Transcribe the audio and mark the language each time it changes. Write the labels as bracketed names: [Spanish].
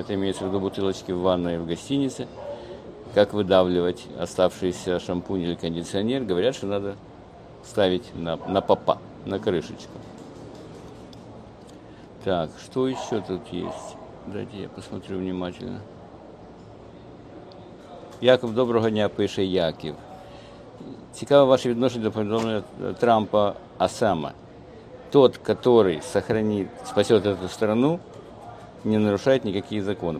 [Russian] Это имеется в виду бутылочки в ванной и в гостинице. Как выдавливать оставшийся шампунь или кондиционер. Говорят, что надо ставить на попа, на крышечку. Так, что еще тут есть? Дайте я посмотрю внимательно. [Ukrainian] Яков, доброго дня, пише Яків. Цікаво ваше відношення до повідомлення Трампа Осама. [Russian] Тот, который спасет эту страну, не нарушает никакие законы.